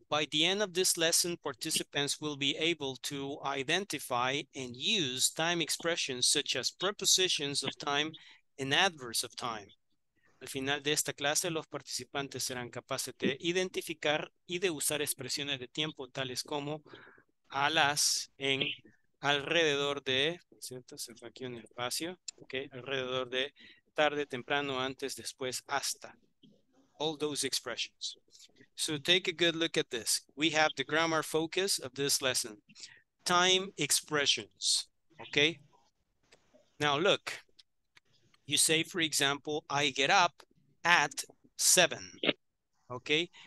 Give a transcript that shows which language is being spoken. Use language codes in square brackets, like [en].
[en] By the end of this lesson, participants will be able to identify and use time expressions such as prepositions of time and adverbs of time. [es] Al final de esta clase, los participantes serán capaces de identificar y de usar expresiones de tiempo tales como a las, en, alrededor de, ¿cierto? Se fue aquí un espacio, okay, alrededor de, tarde, temprano, antes, después, hasta. [en] All those expressions. So take a good look at this. We have the grammar focus of this lesson. Time expressions, okay? Now look, you say, for example, I get up at 7, okay?